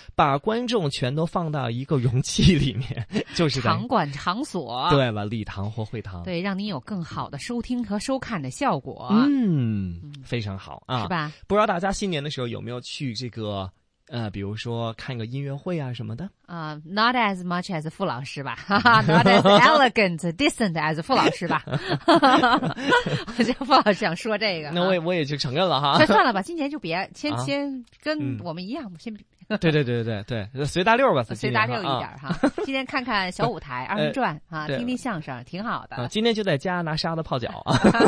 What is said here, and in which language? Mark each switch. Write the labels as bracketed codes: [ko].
[zh] 把观众全都放到一个容器里面，就是场馆场所。对了，礼堂或会堂。对，让你有更好的收听和收看的效果。嗯，非常好啊，是吧？不知道大家新年的时候有没有去这个？比如说看个音乐会啊什么的。 [en] Not as much as 傅老师吧。 Not as elegant, decent as 傅老师吧。 [zh] 我觉得傅老师想说这个。那我也就承认了哈。算了吧，今年就别先跟我们一样，先比。对对对对对，随大溜吧，随大溜一点哈。今天看看小舞台二人转啊，听听相声挺好的。今天就在家拿沙子泡脚啊。